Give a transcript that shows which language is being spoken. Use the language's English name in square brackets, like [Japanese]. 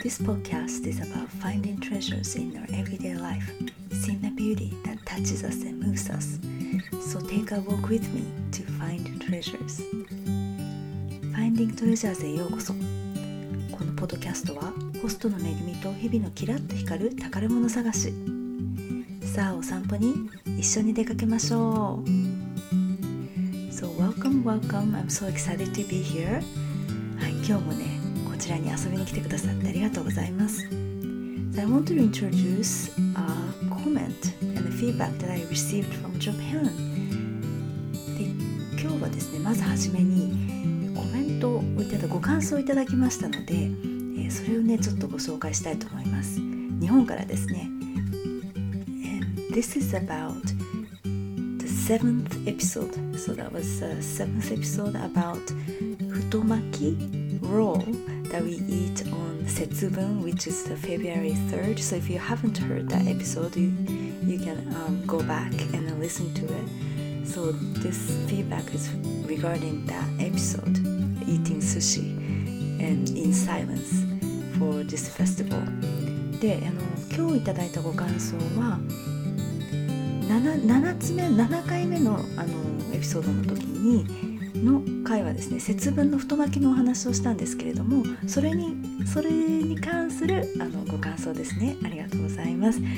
[English] This podcast is about finding treasures in our everyday life, seeing the beauty that touches us and moves us. So take a walk with me to find treasures. [Japanese] Finding Treasures へようこそ。このポッドキャストは、ホストの Megumi と日々のキラッと光る宝物探し。さあお散歩に一緒に出かけましょう。 [English] Welcome. I'm so excited to be here. [Japanese] はい、今日もね、こちらに遊びに来てくださってありがとうございます。 [English] So、I want to introduce a comment and a feedback that I received from Japan. [Japanese] で、今日はですね、まずはじめにコメントをいただく、ご感想をいただきましたので、それをね、ちょっとご紹介したいと思います。日本からですね。 [English] And this is about seventh episode, so that was the seventh episode about futomaki roll that we eat on Setsubun, which is the February 3rd. So if you haven't heard that episode, you can go back and listen to it. So this feedback is regarding that episode, eating sushi and in silence for this festival. [Japanese] で、今日いただいたご感想は、7回目 の, エピソードの時にの回はですね、節分の太巻きのお話をしたんですけれども、それに関するご感想ですね、ありがとうございます。